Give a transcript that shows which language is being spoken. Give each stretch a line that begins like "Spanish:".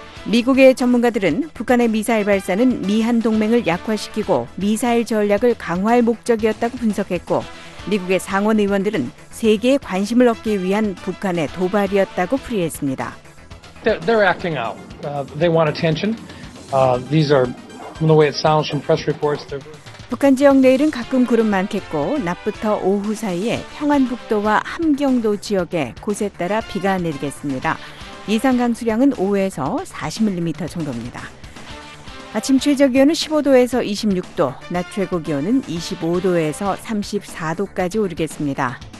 Korean: 미국의 전문가들은 북한의 미사일 발사는 미한 동맹을 약화시키고 미사일 전략을 강화할 목적이었다고 분석했고 미국의 상원 의원들은 세계의 관심을 얻기 위한 북한의 도발이었다고 풀이했습니다.
English: They're acting out. They want attention. These are from the way it sounds from press reports.
Korean: 북한 지역 내일은 가끔 구름 많겠고 낮부터 오후 사이에 평안북도와 함경도 지역에 곳에 따라 비가 내리겠습니다. 예상 강수량은 5에서 40mm 정도입니다. 아침 최저기온은 15도에서 26도, 낮 최고기온은 25도에서 34도까지 오르겠습니다.